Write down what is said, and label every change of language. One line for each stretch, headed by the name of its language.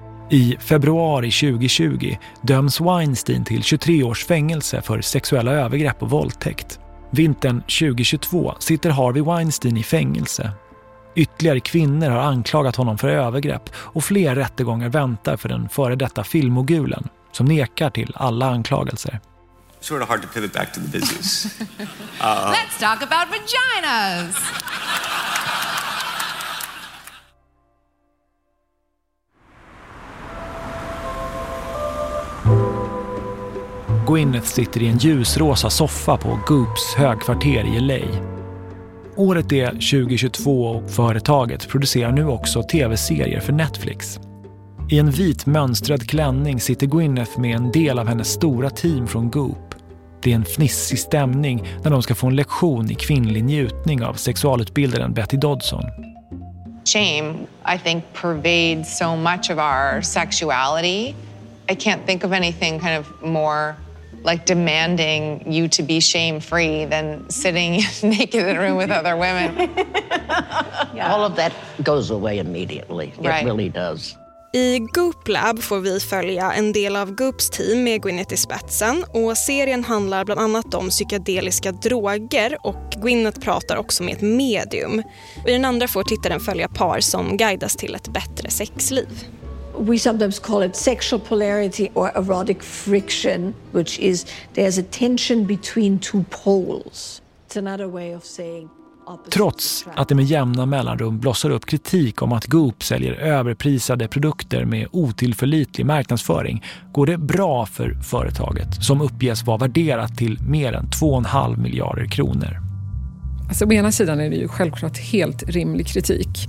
Swedish: I februari 2020 döms Weinstein till 23 års fängelse för sexuella övergrepp och våldtäkt. Vintern 2022 sitter Harvey Weinstein i fängelse. Ytterligare kvinnor har anklagat honom för övergrepp och fler rättegångar väntar för den före detta filmmogulen som nekar till alla anklagelser.
English: Sort of hard to pivot back to the business. Let's talk about vaginas!
Swedish: Gwyneth sitter i en ljusrosa soffa på Goops högkvarter i LA. Året är 2022 och företaget producerar nu också tv-serier för Netflix. I en vit mönstrad klänning sitter Gwyneth med en del av hennes stora team från Goop. Det är en fnissig stämning när de ska få en lektion i kvinnlig njutning av sexualutbildaren Betty Dodson.
English: Shame, I think, pervades so much of our sexuality. I can't think of anything kind of more like demanding you to be shame-free than sitting naked in a room with other women. Yeah. All of that goes away immediately. Right. It really does.
Swedish: I Goop Lab får vi följa en del av Goops team med Gwyneth i spetsen, och serien handlar bland annat om psykedeliska droger, och Gwyneth pratar också med ett medium. I den andra får tittaren följa par som guidas till ett bättre sexliv.
English: We sometimes call it sexual polarity or erotic friction, which is there's a tension between two poles. It's another way of saying opposite.
Swedish: Trots att det med jämna mellanrum blossar upp kritik om att Goop säljer överprisade produkter med otillförlitlig marknadsföring, går det bra för företaget som uppges vara värderat till mer än 2,5 miljarder kronor. Alltså, å ena sidan är det ju självklart helt rimlig kritik.